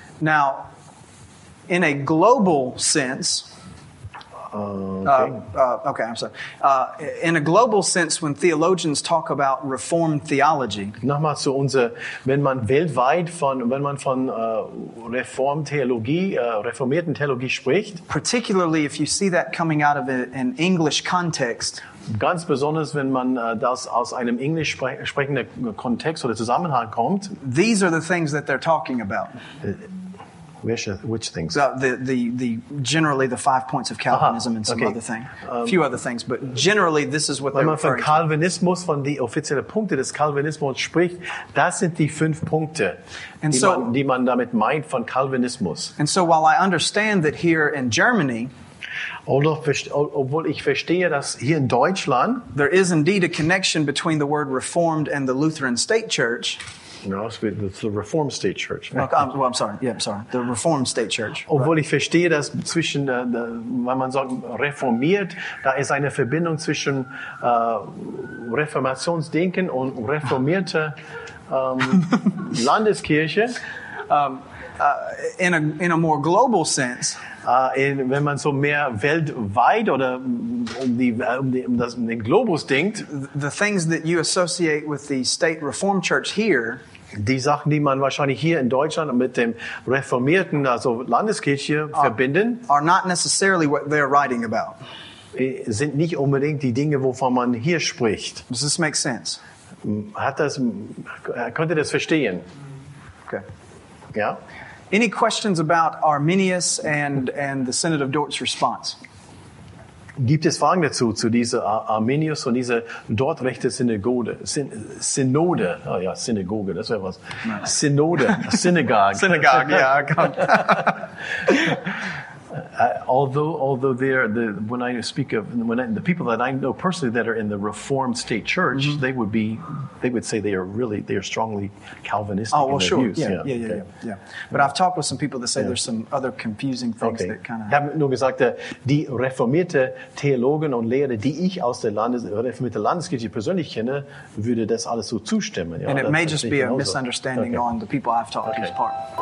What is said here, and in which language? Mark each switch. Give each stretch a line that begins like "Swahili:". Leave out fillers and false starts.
English: Now, in a global sense, in a global sense, when theologians talk about Reformed theology,
German: nochmal zu unser, wenn man von reformierten Theologie spricht,
English: particularly if you see that coming out of an English context,
German: ganz besonders wenn man das aus einem englisch sprechenden Kontext oder Zusammenhang kommt,
English: these are the things that they're talking about. Which things? The generally the 5 points of Calvinism. Aha, and some okay. Other thing, a few other things, but generally this is what they're referring to.
German: Wenn man von Calvinismus, von die offiziellen Punkte des Calvinismus spricht, das sind die 5 Punkte, die man damit meint von Calvinismus.
English: And so while I understand that here in Germany,
German: obwohl ich verstehe, dass hier in Deutschland,
English: there is indeed a connection between the word Reformed and the Lutheran State Church. No, it's the Reformed State Church. The Reformed State Church.
German: Obwohl ich verstehe, dass zwischen, wenn man sagt reformiert, da ist eine Verbindung zwischen Reformationsdenken und reformierte Landeskirche.
English: In a more global sense.
German: Wenn man so mehr weltweit oder um den Globus denkt.
English: The things that you associate with the State Reformed Church here.
German: Die Sachen, die man wahrscheinlich hier in Deutschland mit dem Reformierten, also Landeskirche, verbinden,
English: are not necessarily what they're writing about.
German: Sind nicht unbedingt die Dinge, wovon man hier spricht.
English: Does this make sense?
German: Könnt ihr das verstehen?
English: Okay.
German: Ja?
English: Any questions about Arminius and the Synod of Dort's response?
German: Gibt es Fragen dazu, zu dieser Arminius und dieser dort rechte Synagoge? Synode? Oh ja, Synagoge, das wäre was. Synode, Synagogue. Synagogue, ja.
English: although they're the, when I speak of when I, the people that I know personally that are in the Reformed State Church, mm-hmm. they would say they are strongly Calvinistic. Oh well, in sure, their views. But I've talked with some people that say there's some other confusing things that kind of.
German: Ich habe nur gesagt, die reformierte Theologen und Lehrer, die ich aus der reformierte Landeskirche persönlich kenne, würde das alles so zustimmen.
English: And it may just be a misunderstanding on the people I've talked to's part.